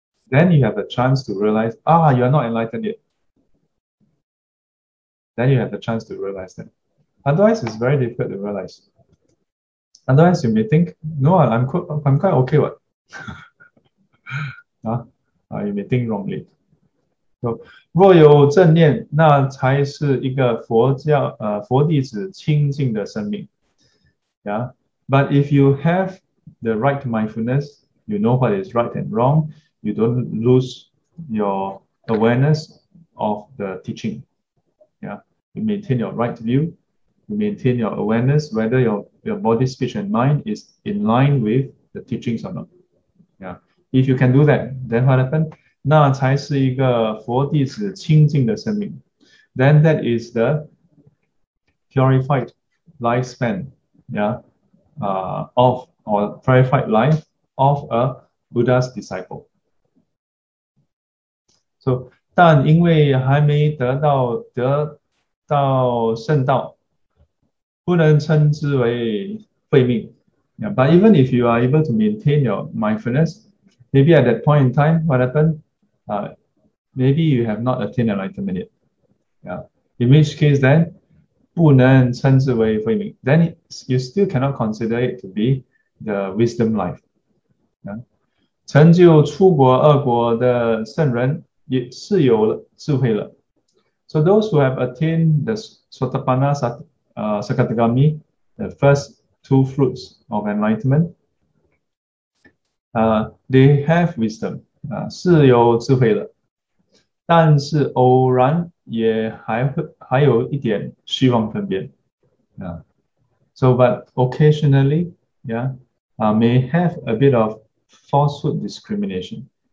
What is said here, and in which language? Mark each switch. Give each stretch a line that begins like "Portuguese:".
English: Then you have a chance to realize, you are not enlightened yet. then you have the chance to realize them. Otherwise, it's very difficult to realize. Otherwise, you may think, no, I'm quite okay, what? You may think wrongly.
Chinese: So, 若有正念，那才是一个佛弟子清净的生命.
English: Yeah, but if you have the right mindfulness, you know what is right and wrong, you don't lose your awareness of the teaching. Yeah, you maintain your right view, you maintain your awareness whether your body, speech, and mind is in line with the teachings or not. Yeah, if you can do that, then what happened?
Chinese: 那才是一个佛弟子清净的生命.
English: Then that is the purified lifespan. Yeah, of or purified life of a Buddha's disciple.
Chinese: So, 但因为还没得到圣道，不能称之为慧命。
English: Yeah, but even if you are able to maintain your mindfulness, maybe at that point in time, what happened? Maybe you have not attained enlightenment yet. Yeah, in which case then,
Chinese: 不能称之为慧命，
English: then you still cannot consider it to be the wisdom life. Yeah?
Chinese: 成就出国、二国的圣人也是有了智慧了。
English: So those who have attained the Sotapanna Sakadagami, the first two fruits of enlightenment, they have wisdom
Chinese: 是有智慧了。但是偶然也还有一点虚妄分别啊，
English: so but occasionally yeah 啊、may have a bit of falsehood discrimination